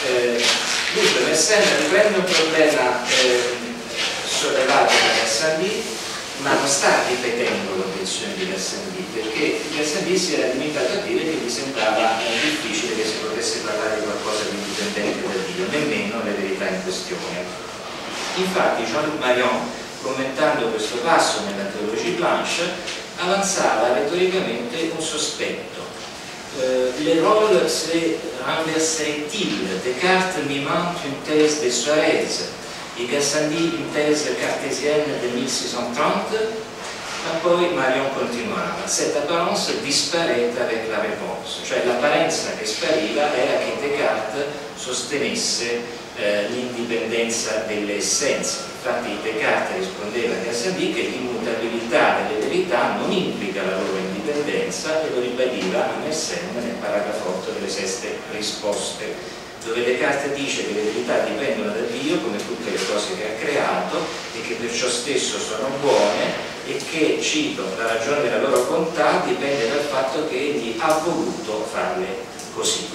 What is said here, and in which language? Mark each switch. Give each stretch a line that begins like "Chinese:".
Italian: Dunque, Messene riprende un problema sollevato da Gassendi, ma non sta ripetendo l'obiezione di Gassendi, perché Gassendi si era limitato a dire che gli sembrava difficile che si potesse parlare di qualcosa di indipendente da Dio, nemmeno le verità in questione. Infatti Jean-Luc Marion, commentando questo passo nella teologia Blanche, avanzava retoricamente un sospetto.
French: Le rôles se renverseraient-il? Descartes mimant une thèse de Suarez, et Gassendi une thèse cartésienne de 1630?
Italian: Ma poi Marion continuava:
French: cette apparence disparaît avec la réponse.
Italian: Cioè, l'apparenza che spariva era che Descartes sostenesse l'indipendenza delle essenze. Infatti, Descartes rispondeva a Gassendi che l'immutabilità delle verità non implica la loro indipendenza, e lo ribadiva a Messene nel paragrafo 8 delle Sestae Risposte, dove Descartes dice che le verità dipendono da Dio come tutte le cose che ha creato, e che per ciò stesso sono buone, e che, cito, la ragione della loro bontà dipende dal fatto che egli ha voluto farle così.